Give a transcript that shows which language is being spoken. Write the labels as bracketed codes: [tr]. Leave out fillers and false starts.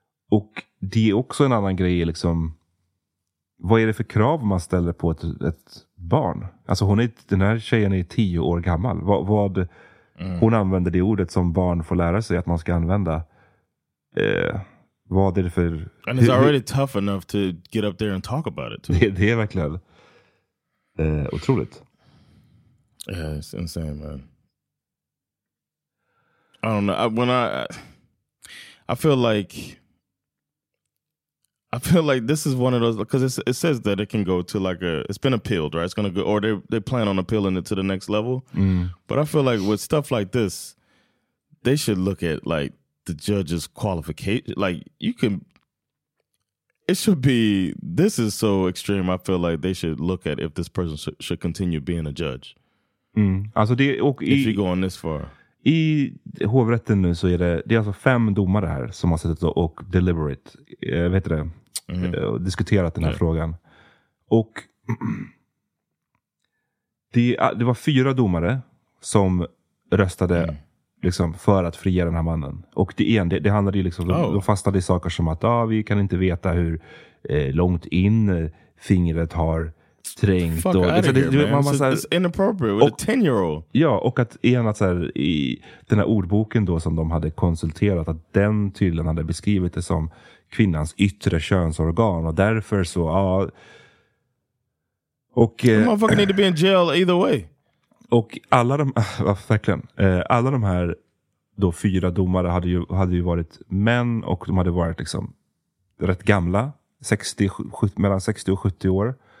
[sv] Och det är också en annan grej liksom, vad är det för krav man ställer på ett barn? Alltså den här tjejen är 10 år gammal. Hon använder det ordet som barn får lära sig att man ska använda. Vad är det för... [en] And it's already tough enough to get up there and talk about it. [sv] Det är verkligen otroligt. [en] Yeah, it's insane, man. I don't know. I feel like this is one of those, because it says that it can go to like it's been appealed, right? It's going to go, or they plan on appealing it to the next level. Mm. But I feel like with stuff like this, they should look at like the judge's qualification. Like you can, it should be, this is so extreme. I feel like they should look at if this person should continue being a judge. [sv] Mm. Alltså det, och [en] if you're going this far. [sv] I hovrätten nu så är det, det är alltså fem domare här som har suttit och deliberate, vet du det, diskuterat den här frågan. Och det var fyra domare som röstade liksom för att fria den här mannen. Och det handlade ju liksom, de fastnade i saker som att vi kan inte veta hur långt in fingret har trängt. [en] Fuck out of here, man. Så it's inappropriate with a 10-year-old. [sv] Ja, och att en att så här, i den här ordboken då som de hade konsulterat, att den tydligen hade beskrivit det som kvinnans yttre könsorgan och därför så, [en] och motherfucker need to be in jail either way. [sv] Och alla de alla de här då fyra domare hade ju varit män, och de hade varit liksom rätt gamla, mellan 60 och 70 år.